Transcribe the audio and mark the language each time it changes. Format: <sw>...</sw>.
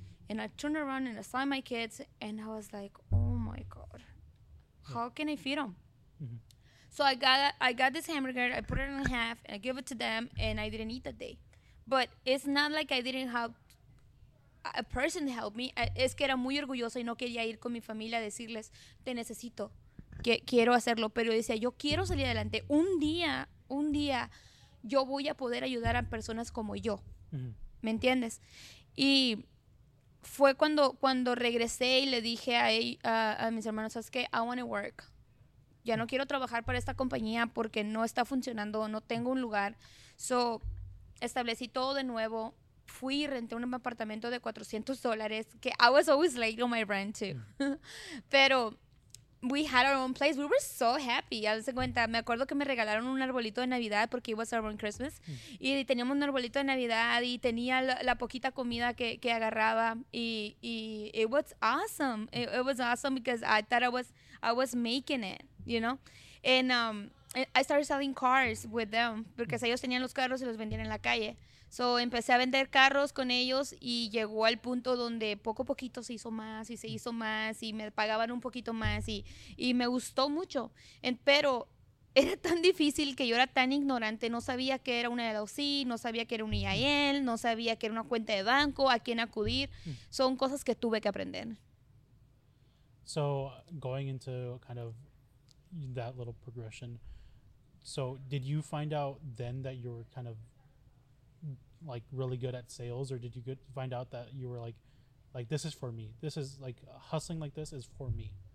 <en>And I turned around and I saw my kids, and I was like, oh my God, how can I feed them? Mm-hmm. So I got this hamburger, I put it in half, and I gave it to them, and I didn't eat that day. But it's not like I didn't have a person to help me.</en> <es>Es que era muy orgullosa y no quería ir con mi familia a decirles, te necesito, que quiero hacerlo. Pero decía, yo quiero salir adelante. Un día... yo voy a poder ayudar a personas como yo, ¿me entiendes? Y fue cuando regresé y le dije a mis hermanos, ¿sabes qué?</es> <en>I want to work.</en> <es>Ya no quiero trabajar para esta compañía porque no está funcionando, no tengo un lugar. So, establecí todo de nuevo. Fui y renté un apartamento de $400, que</es> <en>I was always late on my rent too. Pero we had our own place. We were so happy.</en> <es>Ya se cuenta. Me acuerdo que me regalaron un arbolito de Navidad porque</es> <en>it was around Christmas.</en> <es>Y teníamos un arbolito de Navidad y tenía la poquita comida que agarraba.</es> <en>Y it was awesome. It was awesome because I thought I was making it, you know. And I started selling cars with them because</en> <es>ellos tenían los carros y los vendían en la calle. So empecé a vender carros con ellos y llegó al punto donde poco a poquito se hizo más y me pagaban un poquito más y me gustó mucho. Pero era tan difícil que yo era tan ignorante, no sabía qué era una LLC, no sabía qué era un EIN, no sabía qué era una cuenta de banco, a quién acudir. Son cosas que tuve que aprender.</es> <en>So going into kind of that little progression, so did you find out then that you were kind of like really good at sales, or did you find out that you were like this is for me, this is like hustling, like this is for me?</en>